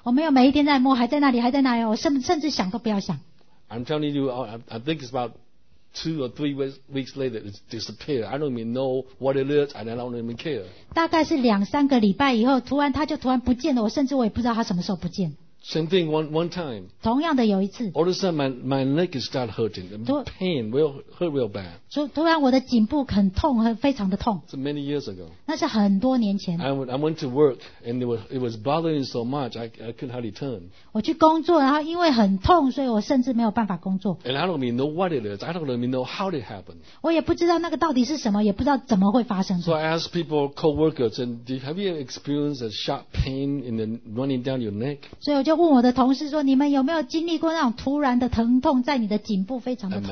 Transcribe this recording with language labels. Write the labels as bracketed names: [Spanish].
[Chinese] 我没有每一天在摸，还在那里，还在那里，我甚至想都不要想。 [English] I'm telling you, I think it's about two or three weeks later, it disappeared. I don't even know what it is, and I don't even care. [Chinese] 大概是两三个礼拜以后，突然它就突然不见了，我甚至我也不知道它什么时候不见。 [English] Same thing one time. [Chinese] 同样的有一次。 [English] All of a sudden, my neck is start hurting. The pain will hurt real bad. [Chinese] 突然我的颈部很痛，非常的痛。 [English] So many years ago. [Chinese] 那是很多年前。 [English] I went to work and it was bothering so much I couldn't hardly turn. [Chinese] 我去工作，然后因为很痛，所以我甚至没有办法工作。 [English] And I don't even know what it is. I don't even know how it happened. [Chinese] 我也不知道那个到底是什么，也不知道怎么会发生。 [English] So I asked people, coworkers, and have you experienced a sharp pain in the running down your neck? [Chinese] 所以我就问我的同事说，你们有没有经历过那种突然的疼痛，在你的颈部非常的痛？